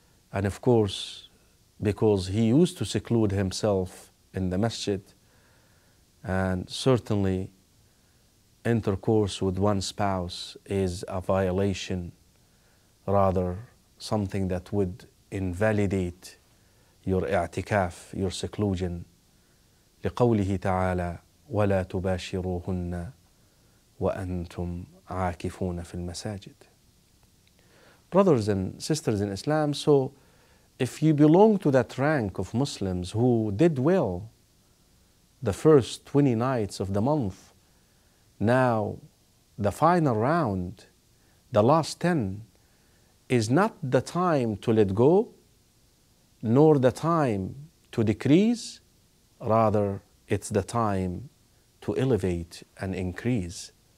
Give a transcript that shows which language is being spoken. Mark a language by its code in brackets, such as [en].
[en] And of course, because he used to seclude himself in the masjid, and certainly intercourse with one spouse is a violation, rather something that would invalidate your i'tikaf, your seclusion. [ar] لقوله تعالى ولا تباشروهن وأنتم عاكفون في المساجد. [en] Brothers and sisters in Islam, so if you belong to that rank of Muslims who did well the first 20 nights of the month, now the final round, the last 10, is not the time to let go, nor the time to decrease, rather it's the time to elevate and increase.